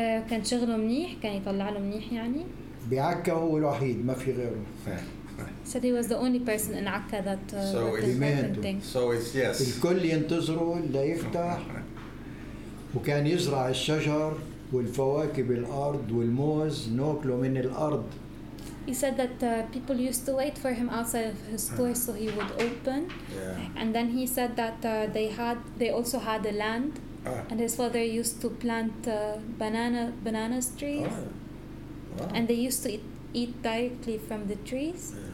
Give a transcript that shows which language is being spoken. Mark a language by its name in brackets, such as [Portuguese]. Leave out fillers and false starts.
[Arabic] كان شغله منيح كان يطلع له منيح يعني. بعكا هو الوحيد ما في غيره. [English] Said he was the only person in عكا that did So it's yes. [Arabic] الكل ينتظره ليفتح وكان يزرع الشجر والفواكه بالأرض والموز ناكله من الأرض. [English] He said that people used to wait for him outside of his store so he would open. Yeah. And then he said that they also had a land. And his father used to plant banana trees. Wow. And they used to eat directly from the trees.